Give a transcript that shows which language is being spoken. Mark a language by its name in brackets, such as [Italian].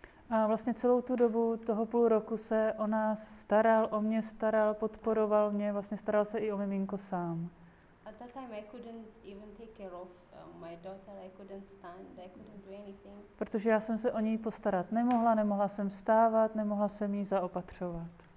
[Czech] A vlastně celou tu dobu toho půl roku se o nás staral, o mě staral, podporoval mě, vlastně staral se i o miminko sám. [English] At that time I couldn't even take care of my daughter, I couldn't stand, I couldn't do anything. [Czech] Protože já jsem se o něj postarat nemohla, nemohla jsem stávat, nemohla jsem jí zaopatřovat.